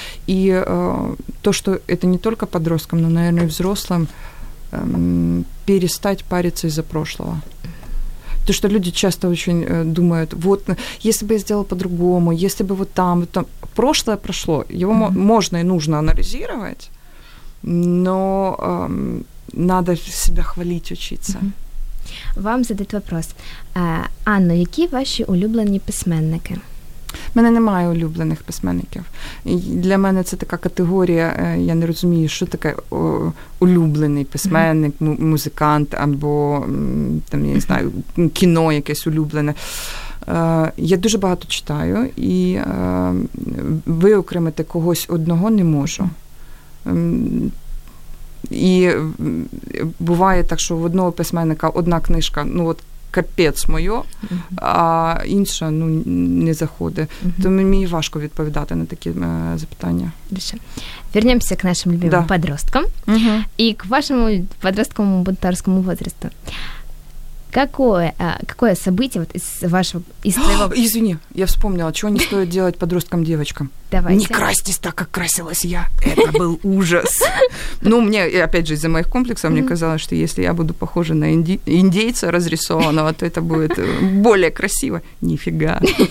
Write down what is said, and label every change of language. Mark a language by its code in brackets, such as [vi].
[ru] И то, что это не только подросткам, но, наверное, взрослым, перестать париться из-за прошлого. То, что люди часто очень думают, вот, если бы я сделала по-другому, если бы вот там, вот там. Прошлое прошло, его можно и нужно анализировать, но... Надо себя хвалить, учиться. Вам задать вопрос. [uk] Анна, які ваші улюблені письменники? мене немає улюблених письменників. Для мене це така категорія, я не розумію, що таке улюблений письменник, музикант або там, я не знаю, кіно якесь улюблене. Я дуже багато читаю і виокремити когось одного не можу. І буває так, що в одного письменника одна книжка, ну от капець моє, а інша, ну, не заходить. Тому мені важко відповідати на такі запитання. Дальше. Вернемося к нашим любимим подросткам. І к вашому подростковому бунтарському возрасту. [ru] Какое событие вот из вашего... Извини, я вспомнила, чего не стоит делать подросткам-девочкам. Давайте. Не красьтесь так, как красилась я. Это был ужас. Ну, мне, опять же, из-за моих комплексов, мне казалось, что если я буду похожа на индейца разрисованного, то это будет более красиво. Нифига.